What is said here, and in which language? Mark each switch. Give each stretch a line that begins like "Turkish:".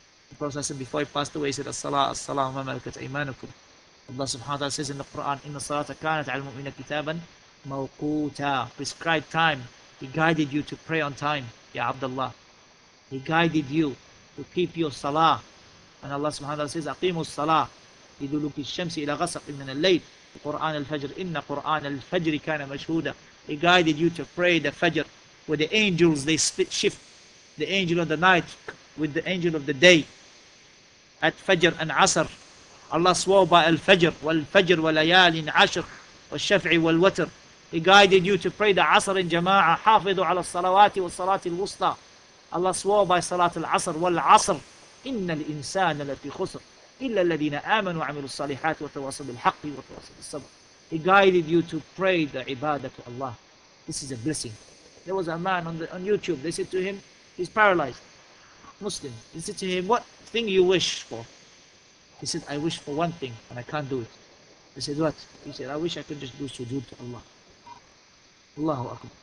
English: The Prophet said before he passed away, he said,
Arabic: As-salah, as-salah, ma malakat aymanukum.
English: Allah subhanahu wa ta'ala says in the Quran,
Arabic: إِنَّ الصَّلَاةَ كَانَتْ عَلَى الْمُؤْمِنَ كِتَابًا
English: موقوتا, prescribed time. He guided you to pray on time, Ya Abdullah. He guided you to keep your salah.
Arabic: And Allah subhanahu wa ta'ala says, أقيموا الصلاة لدلوك الشمس إلى غسق من الليل قرآن الفجر إن قرآن الفجر كان مشهودا.
English: He guided you to pray the Fajr with the angels, they split shift. The angel of the night with the angel of the day. At Fajr and Asr, Allah swore by Al-Fajr,
Arabic: Wal-Fajr wa-layalin ashr, wa-shaf'i wal-watr.
English: He guided you to pray the Asr in Jama'ah,
Arabic: حافظوا على الصلوات والصلاة الوسطى.
English: Allah swore by Salat Al-Asr, Wal-Asr,
Arabic: إِنَّ الْإِنسَانَ لَفِي خُسْرٍ إِلَّا الَّذِينَ آمَنُوا وَعَمِلُوا الصَّالِحَاتِ وَتَوَاصَوْا بِالْحَقِّ وَتَوَاصَوْا بِالصَّبْرِ.
English: He guided you to pray the ibadah to Allah. This is a blessing. There was a man on YouTube, they said to him, he's paralyzed, Muslim. They said to him, what thing you wish for? He said, I wish for one thing and I can't do it. They said, what? He said, I wish I could just do sujood to Allah. Allahu Akbar.